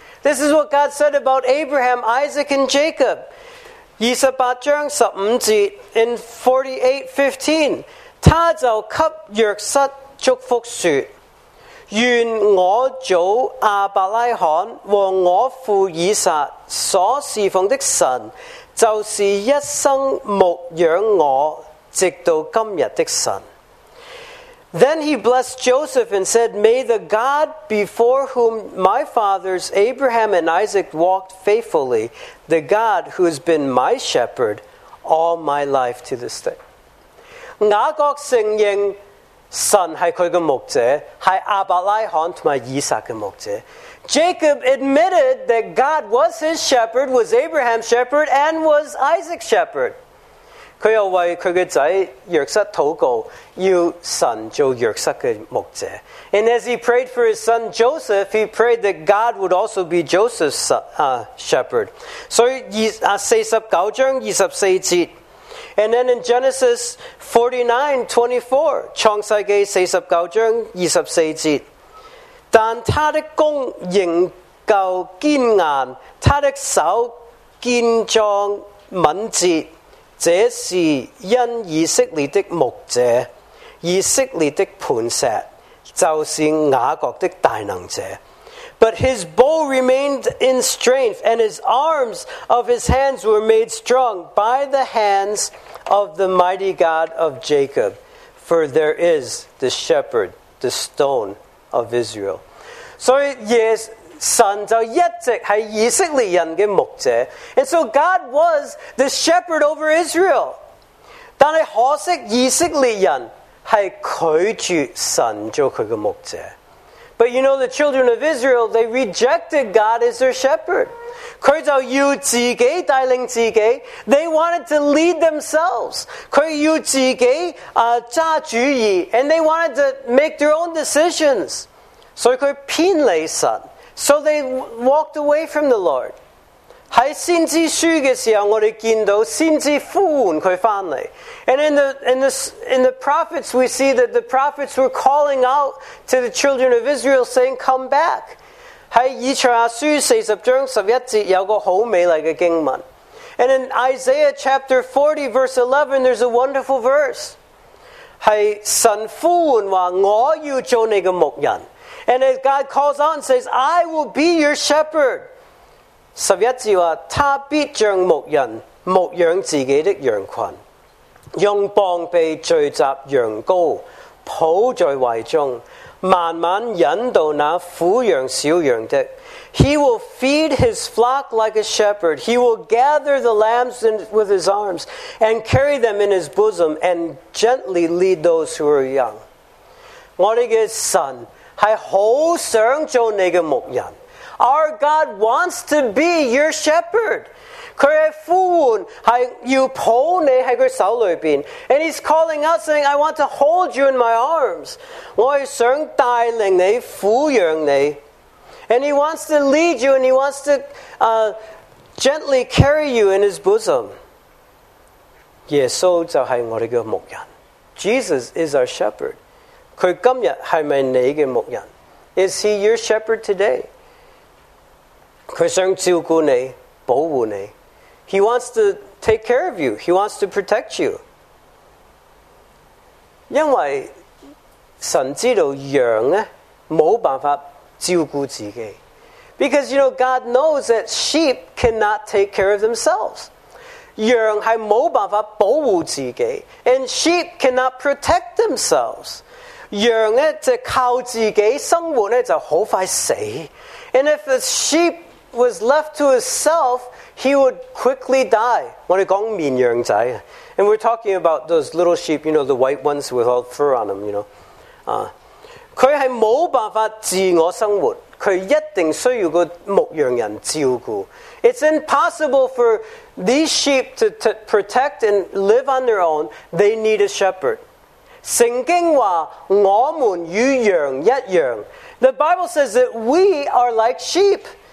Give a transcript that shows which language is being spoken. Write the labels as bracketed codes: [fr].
[en] This is what God said about Abraham, Isaac, and Jacob. [zh] 28章15节 in 48:15. 他就给约瑟祝福说，愿我祖亚伯拉罕和我父以撒所侍奉的神，就是一生牧养我直到今日的神。 [en] Then he blessed Joseph and said, May the God before whom my fathers Abraham and Isaac walked faithfully, the God who has been my shepherd all my life to this day. [zh] 雅各承认神是他的牧者，是亚伯拉罕和以撒的牧者。 [en] Jacob admitted that God was his shepherd, was Abraham's shepherd, and was Isaac's shepherd. [zh] 他又为他的仔约瑟祷告，要神做约瑟的牧者。 [en] And as he prayed for his son Joseph, he prayed that God would also be Joseph's shepherd. [zh] 所以49章24节。 [en] And then in Genesis 49:24, [zh] 创世纪49章24节，但他的弓仍够坚硬，他的手建壮敏捷，这是因以色列的牧者，以色列的磐石，就是雅各的大能者。 [en] But his bow remained in strength, and his arms of his hands were made strong by the hands of the mighty God of Jacob. For there is the shepherd, the stone of Israel. So, yes, [zh] 神就一直是以色列人的牧者。 [en] And so God was the shepherd over Israel. [zh] 但是可惜以色列人是拒绝神做他的牧者。 [en] But you know, the children of Israel, they rejected God as their shepherd. [zh] 他就要自己带领自己。 [en] They wanted to lead themselves. [zh] 他要自己揸主意。 [en] And they wanted to make their own decisions. [zh] 所以他偏离神。 [en] So they walked away from the Lord. [zh] 在先知书的时候，我们见到先知呼唤他回来。 [en] And in the prophets, we see that the prophets were calling out to the children of Israel, saying, "Come back." [zh] 在以赛亚书四十章十一节有个好美丽的经文。 [en] And in Isaiah chapter 40, verse 11, there's a wonderful verse. [zh] 在神呼唤话，我要做你的牧人。 [en] And as God calls out and says, "I will be your shepherd." [zh] 十一节话，他必像牧人牧养自己的羊群，用棒臂聚集羊羔，抱在怀中，慢慢引导那苦羊小羊的。 [en] He will feed his flock like a shepherd. He will gather the lambs with his arms and carry them in his bosom and gently lead those who are young. [zh] 我们的神是好想做你的牧人。 [en] Our God wants to be your shepherd. [zh] 他的呼唤是要抱你在他手里边。 [en] And he's calling out saying, "I want to hold you in my arms." [zh] 我想带领你，抚养你。 [en] And he wants to lead you and he wants to gently carry you in his bosom. [zh] 耶稣就是我们的牧人。 [en] Jesus is our shepherd. [zh] 他今天是不是你的牧人？ [en] Is he your shepherd today? [zh] 他想照顾你，保护你。 [en] He wants to take care of you. He wants to protect you. [zh] 因为神知道羊没办法照顾自己。 [en] Because, you know, God knows that sheep cannot take care of themselves. [zh] 羊是没办法保护自己。 [en] And sheep cannot protect themselves. [zh] 羊就靠自己生活就好快死。 [en] And if a sheep was left to himself, he would quickly die. [zh] 我们讲绵羊仔， [en] and we're talking about those little sheep, you know, the white ones with all fur on them, you know. [zh] 他是没办法自我生活，他一定需要个牧羊人照顾。 [en] It's impossible for these sheep to protect and live on their own. They need a shepherd. [zh] 圣经话，我们与羊一样。 [en] The Bible says that we are like sheep.